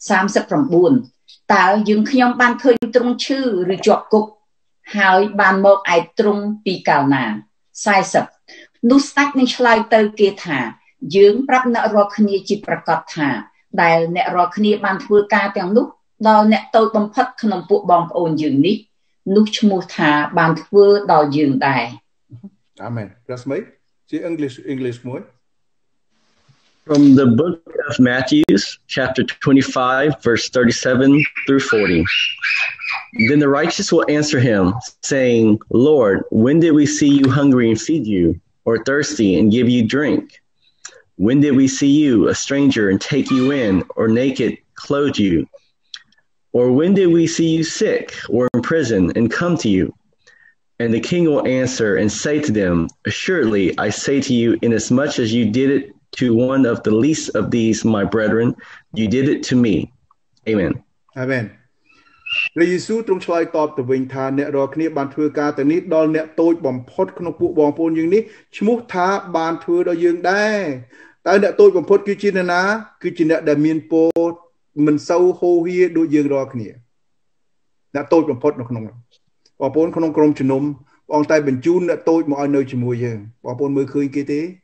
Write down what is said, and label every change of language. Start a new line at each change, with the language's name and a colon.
Khmer: 39តើយើងខ្ញុំបានឃើញទ្រង់ឈឺឬជាប់គុកហើយបានមកឯទ្រង់ពីកាលណា40នោះស្ដេចនឹងឆ្លើយទៅគេថាយើងប្រាប់អ្នករាល់គ្នាជាប្រកបថាដែលអ្នករាល់គ្នាបានធ្វើការទាំងនោះដល់អ្នកតូចបំផុតក្នុងពួកបងប្អូនយើងនេះនោះឈ្មោះថាបានធ្វើដល់យើងដែរ អាមែនប្រសមីជា English មួយ
English: From the book of Matthew chapter 25 verse 37 through 40 Then the righteous will answer him saying Lord when did we see you hungry and feed you or thirsty and give you drink When did we see you a stranger and take you in or naked clothe you or when did we see you sick or in prison and come to you and the king will answer and say to them assuredly I say to you inasmuch as you did it to one of the least of these my brethren you did it to me amen
Khmer: amen ព្រះយេស៊ូវទ្រង់ឆ្លើយតបទៅវិញថាអ្នករាល់គ្នាបានធ្វើការទាំងនេះដល់អ្នកតូចបំផុតក្នុងពួកបងប្អូនយើងនេះឈ្មោះថាបានធ្វើដល់យើងដែរតើអ្នកតូចបំផុតគឺជាអ្នកណាគឺជាអ្នកដែលមានពោមិនសូវហូហៀដូចយើងរាល់គ្នាអ្នកតូចបំផុតនៅក្នុងបងប្អូនក្នុងក្រុមជំនុំបងតែបញ្ជូនអ្នកតូចមកឲ្យនៅជាមួយយើងបងប្អូនមើលឃើញគេទេ